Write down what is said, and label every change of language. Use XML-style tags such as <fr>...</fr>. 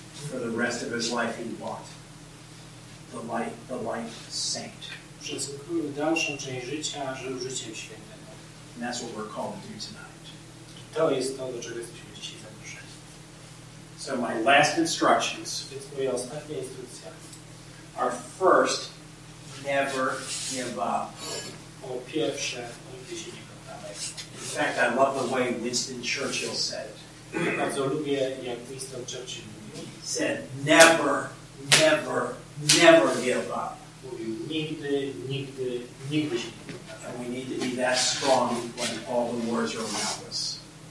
<en>for the rest of his life, he walked the life saint.</en> <pl>Przez dalszą część życia żył życiem świętym.</pl> <en>And that's what we're called to do tonight.</en> <pl>To jest to, do czego jesteśmy dzisiaj zaproszeni.</pl> <en>So my last instructions.</en> <pl>Więc moje ostatnie instrukcje.</pl> <en>Are first, never give up.</en> <pl>Po pierwsze, nigdy się nie poddawaj.</pl> <en>In fact, I love the way Winston Churchill said it.</en> <pl>Ja bardzo lubię, jak Winston Churchill mówił.</pl> <en>Said, "Never, never, never give up."</en> <pl>Mówił, nigdy, nigdy, nigdy się nie poddawaj.</pl> <en>And we need to be that strong when all the words are around us.</en>